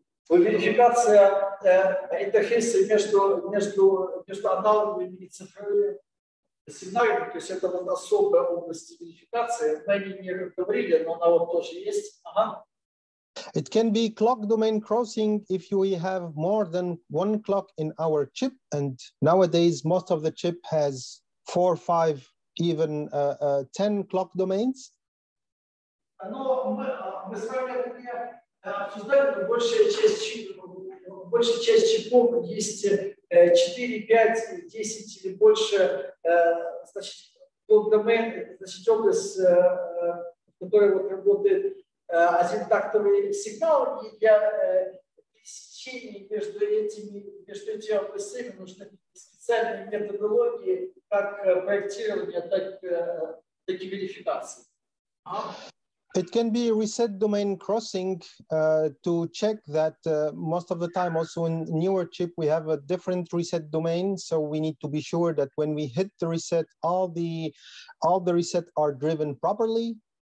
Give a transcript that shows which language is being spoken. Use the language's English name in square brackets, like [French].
[Russian] Верификация интерфейса между аналоговыми и цифровыми сигналами, то есть это вот особая область верификации. Мы о ней не говорили, но она вот тоже есть. Ага. [English] It can be clock domain crossing if we have more than one clock in our chip, and nowadays most of the chip has 4, 5, even 10 clock domains. [Russian] Но мы с вами не обсуждаем, большая часть чипов есть 4, 5, 10 или больше, значит, клок-домен, значит, область, в которой вот работает азимутактовый сигнал, и для пересечения между этими областями нужны специальные методологии, как проектирование, так и верификации. [English] It can be reset domain crossing to check that most of the time also in newer chip we have a different reset domain, so we need to be sure that when we hit the reset all the reset are driven properly.